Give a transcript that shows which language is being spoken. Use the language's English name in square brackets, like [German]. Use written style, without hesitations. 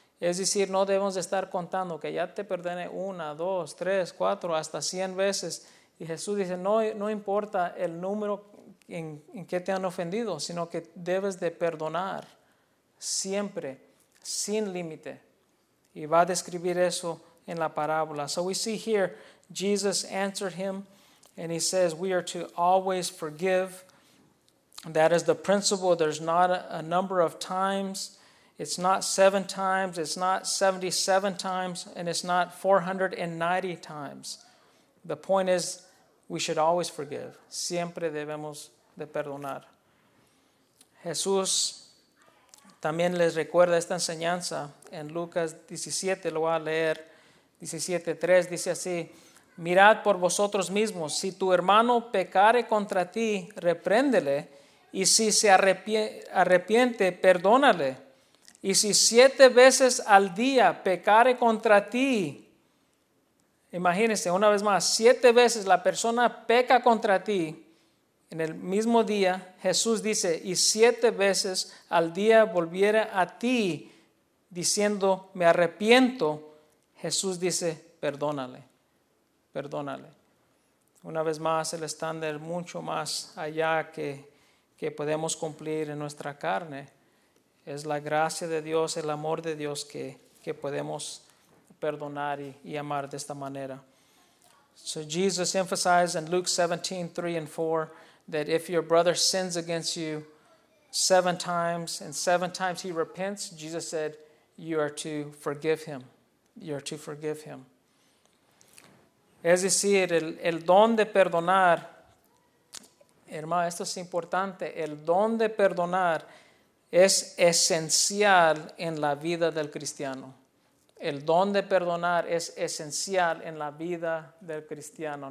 [Spanish] Es decir, no debemos de estar contando que ya te perdone 1, 2, 3, 4, hasta 100 veces. Y Jesús dice, no importa el número en qué te han ofendido, sino que debes de perdonar siempre, sin límite. Y va a describir eso en la parábola. [English] So we see here, Jesus answered him, and he says, we are to always forgive. That is the principle. There's not a number of times. It's not 7 times, it's not 77 times, and it's not 490 times. The point is, we should always forgive. [Spanish] Siempre debemos de perdonar. Jesús también les recuerda esta enseñanza en Lucas 17, lo voy a leer, 17:3, dice así, mirad por vosotros mismos, si tu hermano pecare contra ti, repréndele, y si se arrepiente, perdónale. Y si 7 veces al día pecare contra ti, imagínense una vez más, 7 veces la persona peca contra ti, en el mismo día, Jesús dice, y 7 veces al día volviera a ti diciendo, me arrepiento, Jesús dice, perdónale, perdónale. Una vez más, el estándar mucho más allá que podemos cumplir en nuestra carne. Es la gracia de Dios, el amor de Dios que podemos perdonar y amar de esta manera. [English] So Jesus emphasized in Luke 17:3-4 that if your brother sins against you 7 times and 7 times he repents, Jesus said, you are to forgive him. You are to forgive him. [Spanish] Es decir, el don de perdonar, hermano, esto es importante, el don de perdonar es esencial en la vida del cristiano. El don de perdonar es esencial en la vida del cristiano.